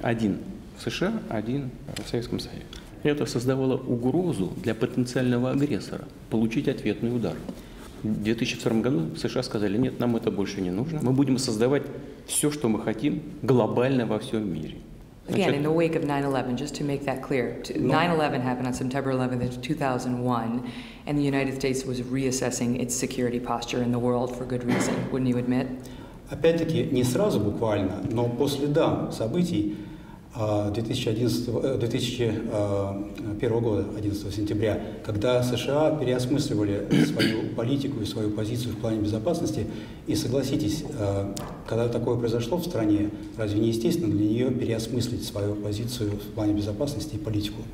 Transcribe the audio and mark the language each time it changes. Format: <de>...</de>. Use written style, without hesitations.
<ru>Один в США, один в Советском Союзе. Это создавало угрозу для потенциального агрессора получить ответный удар. В 2002 году США сказали, нет, нам это больше не нужно. Мы будем создавать все, что мы хотим, глобально во всем мире.</ru> <en>Again, in the wake of 9/11, just to make that clear, 9/11 happened on September 11th, 2001, and the United States was reassessing its security posture in the world for good reason, wouldn't you admit?</en> <ru>Опять-таки, не сразу буквально, но по следам событий 2001 года, 11 сентября, когда США переосмысливали свою политику и свою позицию в плане безопасности, и согласитесь, когда такое произошло в стране, разве не естественно для нее переосмыслить свою позицию в плане безопасности и политику?</ru>